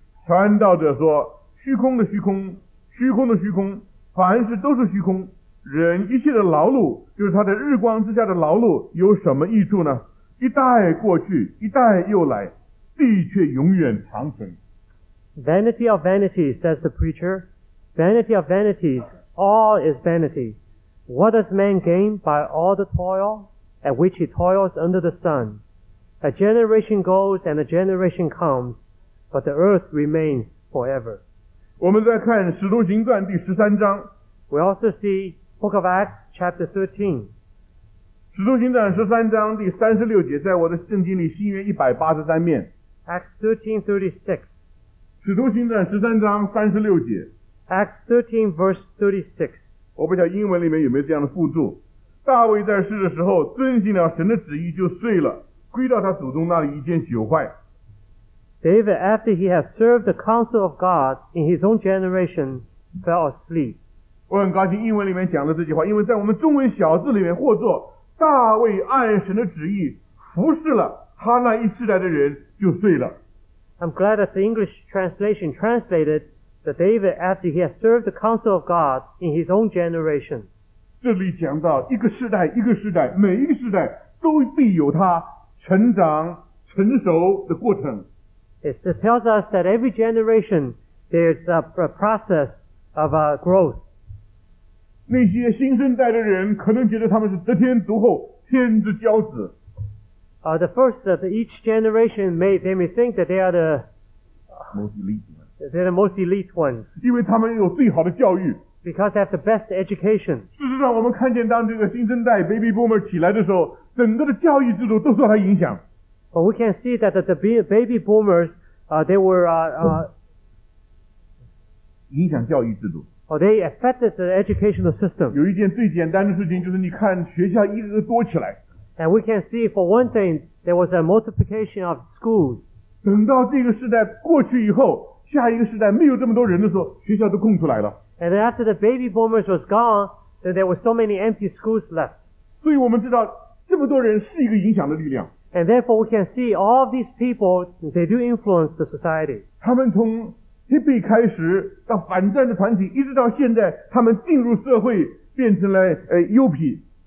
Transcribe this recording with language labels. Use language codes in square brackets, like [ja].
[zh] 传道者说：“虚空的虚空，虚空的虚空，凡事都是虚空。人一切的劳碌，就是他在日光之下的劳碌，有什么益处呢？一代过去，一代又来，地却永远长存。” [en] Vanity of vanities, says the preacher. Vanity of vanities, all is vanity. What does man gain by all the toil at which he toils under the sun? A generation goes and a generation comes. But the earth remains forever. [zh] 我们再看《使徒行传》第13章。 [en] We also see Book of Acts, chapter 13. [zh] 使徒行传十三章第三十六节，在我的圣经里新约一百八十三面。 [en] Acts 13:36。 [zh] 使徒行传十三章三十六节。 [en] Acts 13:36。 [zh] 我不晓得英文里面有没有这样的附注。大卫在世的时候，遵行了神的旨意，就睡了，归到他祖宗那里，一件朽坏。 [en] David, after he had served the counsel of God in his own generation, fell asleep. [zh] 我很高兴英文里面讲的这句话，因为在我们中文小字里面或作大卫按神的旨意服侍了他那一世代的人，就睡了。 [en] I'm glad that the English translation translated that David, after he had served the counsel of God in his own generation. [zh] 这里讲到一个世代一个世代，每一个世代都必有他成长成熟的过程。 [en] It tells us that every generation there's a process of growth. [zh] 那些新生代的人可能觉得他们是得天独厚，天之骄子。 [en] The first that each generation may they may think that they are the most elite. They're the most elite ones. [zh] 因为他们有最好的教育。 [en] Because they have the best education. [zh] 事实上，我们看见当这个新生代 baby boomer 起来的时候，整个的教育制度都受他影响。 [en] But we can see that the baby boomers, they were, [zh] 影响教育制度。 [en] They affected the educational system. [zh] 有一件最简单的事情，就是你看学校一个个多起来。 [en] And we can see for one thing, there was a multiplication of schools. [zh] 等到这个时代过去以后，下一个时代没有这么多人的时候，学校都空出来了。 [en] And after the baby boomers was gone, then there were so many empty schools left. [zh] 所以我们知道，这么多人是一个影响的力量。 [en] And therefore we can see all these people, they do influence the society. [zh] 他们从 hippie 开始到反战的团体，一直到现在他们进入社会变成了右撇。